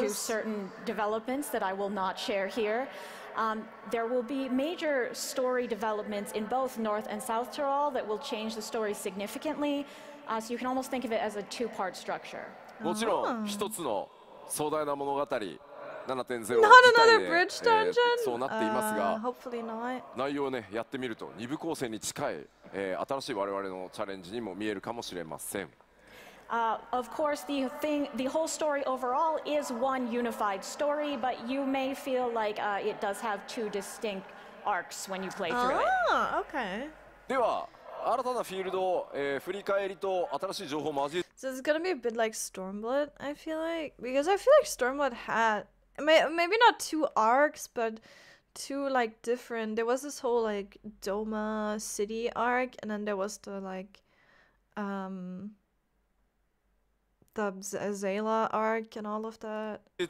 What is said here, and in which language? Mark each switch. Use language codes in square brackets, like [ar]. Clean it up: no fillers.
[en] Due to certain developments that I will not share here. There will be major story developments in both North and South Tural that will change the story significantly. So you can almost think of it as a two-part structure. [ja] もちろん一つの壮大な物語 7.0 [en] Not another bridge dungeon. [ja] そうなっていますが、 [en] Hopefully not. [ja] 内容をねやってみると二部構成に近い、新しい我々のチャレンジにも見えるかもしれません。 [en] Of course, the thing, the whole story overall is one unified story, but you may feel like it does have two distinct arcs when you play through it. Ah, okay. [ja] では新たなフィールドを、振り返りと新しい情報を交え。 [en] So it's gonna be a bit like Stormblood, I feel like, because I feel like Stormblood had maybe not two arcs, but two like different. There was this whole like Doma City arc, and then there was the like, the Zayla arc and all of that.